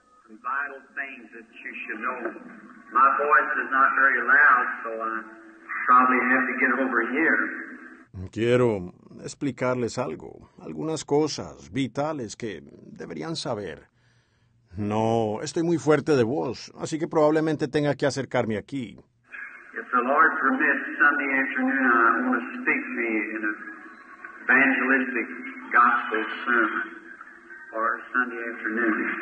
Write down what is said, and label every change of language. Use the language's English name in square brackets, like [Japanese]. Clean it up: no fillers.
[English] Vital things that you should know. My voice is not very loud, so I probably have to get over here. [Spanish] Quiero explicarles algo, algunas cosas vitales que deberían saber. No, estoy muy fuerte de voz, así que probablemente tenga que acercarme aquí. [English] If the Lord permits, Sunday afternoon, I want to speak to you in an evangelistic gospel sermon for Sunday afternoon.